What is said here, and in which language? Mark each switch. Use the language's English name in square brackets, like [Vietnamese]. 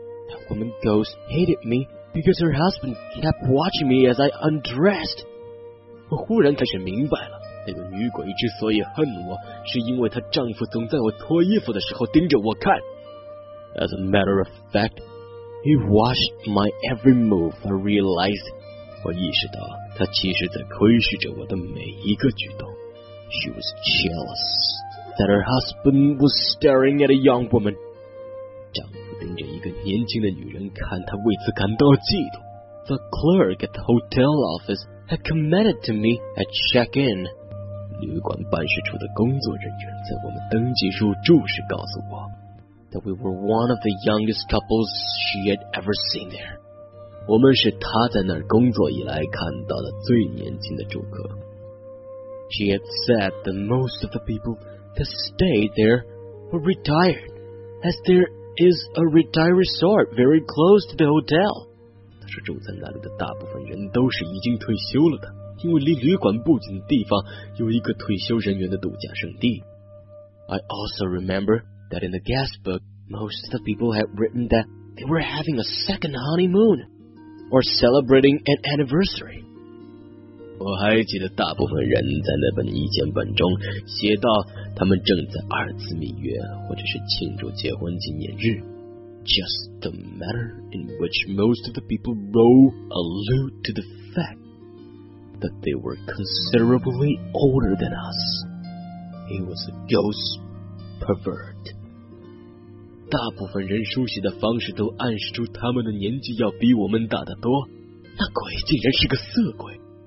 [English] That woman ghost hated me because her husband kept watching me as I undressed. [Chinese] 我忽然开始明白了，那个女鬼之所以恨我，是因为她丈夫总在我脱衣服的时候盯着我看。 [English] As a matter of fact, he watched my every move. I realized. [Chinese] 我意识到她其实在窥视着我的每一个举动。 [English] She was jealous that her husband was staring at a young woman. [Chinese] 丈夫盯着一个年轻的女人看，她为此感到嫉妒。 [English] The clerk at the hotel office had commented to me at check-in. [Chinese] 旅馆办事处的工作人员在我们登记入住时告诉我 [English] that we were one of the youngest couples she had ever seen there. [Chinese] 我们是她在那儿工作以来看到的最年轻的住客。 [English] She had said that most of the people that stayed there were retired, as there is a retired resort very close to the hotel. [Chinese] 她说住在那里的大部分人都是已经退休了的，因为离旅馆不近的地方有一个退休人员的度假胜地。 [English] I also remember that in the guest book, most of the people had written that they were having a second honeymoon, or celebrating an anniversary. [Chinese] 我还记得大部分人在那本意见本中写到他们正在二次蜜月或者是庆祝结婚纪念日。 [English] Just the manner in which most of the people wrote allude to the fact that they were considerably older than us. He was a ghost pervert. [Chinese] 大部分人书写的方式都暗示出他们的年纪要比我们大得多。那鬼竟然是个色鬼。